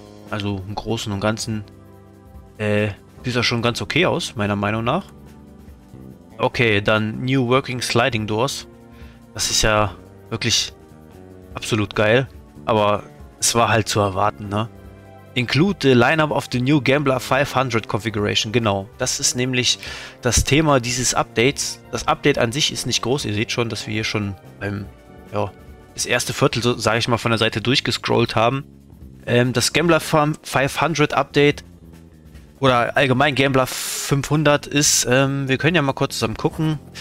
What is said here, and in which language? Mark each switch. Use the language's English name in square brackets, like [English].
[German] Also im Großen und Ganzen sieht das schon ganz okay aus, meiner Meinung nach. Okay, dann New Working Sliding Doors. Das ist ja wirklich absolut geil, aber es war halt zu erwarten, ne? [English] Include the lineup of the new Gambler 500 configuration. [German] Genau, das ist nämlich das Thema dieses Updates. Das Update an sich ist nicht groß. Ihr seht schon, dass wir hier schon beim das erste Viertel, so sage ich mal, von der Seite durchgescrollt haben. Das Gambler 500 Update oder allgemein Gambler 500 ist, wir können ja mal kurz zusammen gucken.